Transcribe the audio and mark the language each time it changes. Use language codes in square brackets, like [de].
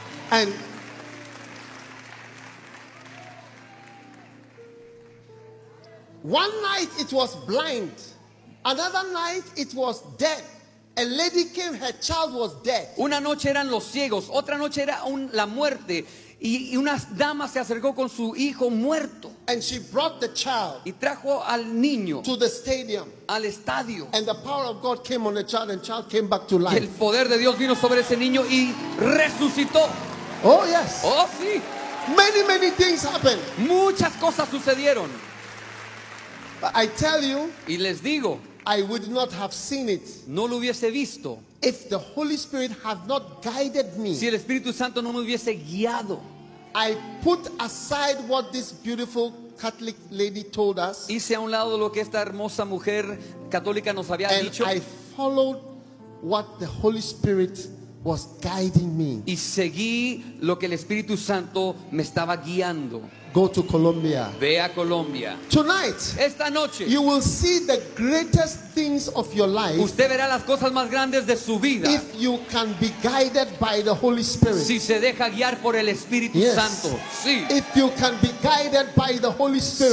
[en] And one night it was blind. Another night it was dead. A lady came, her child was dead. [es] Una noche eran los ciegos, otra noche era la muerte. Y una dama se acercó con su hijo muerto. [en] And she brought the child [es] y trajo al niño [en] to the stadium. [es] Al estadio. [en] And the power of God came on the child and the child came back to life. [es] Y el poder de Dios vino sobre ese niño y resucitó. [en] Oh yes. [es] Oh sí. [en] Many, many things happened. [es] Muchas cosas sucedieron. [en] But I tell you, [es] y les digo, [en] I would not have seen it. [es] No lo hubiese visto. [en] If the Holy Spirit had not guided me, [es] si el Espíritu Santo no me hubiese guiado, [en] I put aside what this beautiful Catholic lady told us. [es] Hice a un lado lo que esta hermosa mujer católica nos había [en] and [es] dicho. [en] I followed what the Holy Spirit was guiding me. [es] Y seguí lo que el Espíritu Santo me estaba guiando. [en] Go to Colombia. [es] Ve a Colombia. [en] Tonight, [es] esta noche, [en] you will see the greatest things of your life. [es] Usted verá las cosas más grandes de su vida. [en] If you can be guided by the Holy Spirit. [es] Si se deja guiar por el Espíritu [en] yes. [es] Santo. Sí. [en] If you can be guided by the Holy Spirit.